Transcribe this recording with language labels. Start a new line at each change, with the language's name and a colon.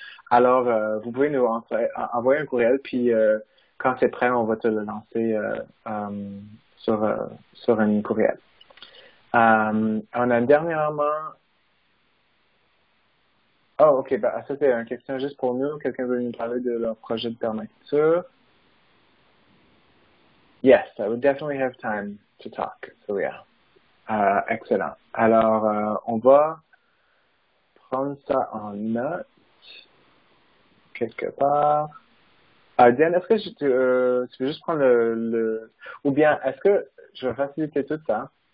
French: Alors, vous pouvez nous envoyer un courriel, puis quand c'est prêt, on va te le lancer sur un courriel. On a dernièrement... Oh, ok, bah, ça c'est une question juste pour nous. Quelqu'un veut nous parler de leur projet de permaculture?
English: Yes, I would definitely have time to talk. So, yeah. Excellent.
French: Alors, on va prendre ça en note quelque part. Diane, est-ce que tu veux juste prendre le... Ou bien, est-ce que je vais faciliter tout ça?